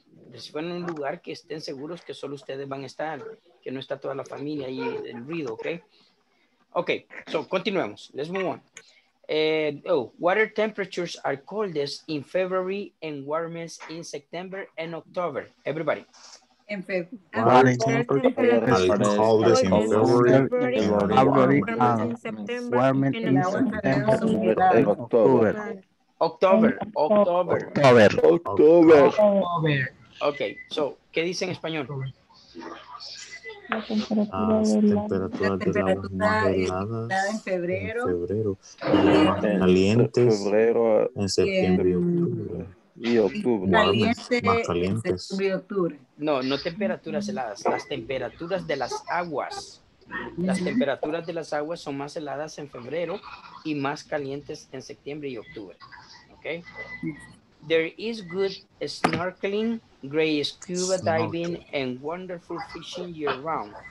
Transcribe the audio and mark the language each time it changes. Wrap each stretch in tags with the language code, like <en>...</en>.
<es>Reciban un lugar que estén seguros que solo ustedes van a estar, que no está toda la familia ahí el ruido, ¿ok?</es> <en>Okay, so</en> <es>continuemos.</es> <en>Let's move on. Water temperatures are coldest in February and warmest in September and October. Everybody. In February. Warmest in September and October. October. October. October. October. Okay, so,</en> <es>¿qué dice en español? La temperatura de las aguas heladas en febrero, más calientes en septiembre y octubre. No, no temperaturas heladas, las temperaturas de las aguas. Las temperaturas de las aguas son más heladas en febrero y más calientes en septiembre y octubre.</es> <en>Okay. There is good snorkeling, gray scuba diving, and wonderful fishing year-round.</en>